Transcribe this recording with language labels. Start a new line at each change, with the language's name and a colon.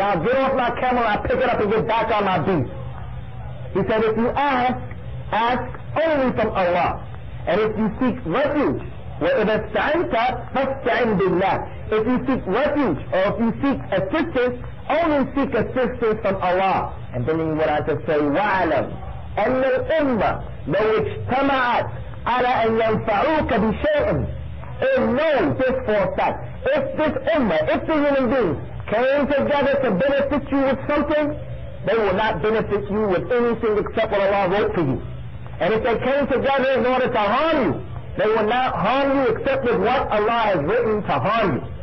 English: I'll get off my camel, I'll pick it up and get back on my beast. He said, if you ask, ask only from Allah. And if you seek refuge,
Arabic: وَإِذَا اسْتَعِنْتَ فَاسْتَعِنْ بِاللَّهِ,
English: if you seek refuge or if you seek assistance, only seek assistance from Allah. And then he went on to say,
Arabic: وَعَلَمْ أَنَّ الْأُمَّةِ لَوْ اجْتَمَعَتْ عَلَىٰ أَنْ يَنْفَعُوكَ بِشَيْءٍ.
English: And know this for a fact. If this ummah, if the human beings came together to benefit you with something, they will not benefit you with anything except what Allah wrote for you. And if they came together in order to harm you, they will not harm you except with what Allah has written to harm you.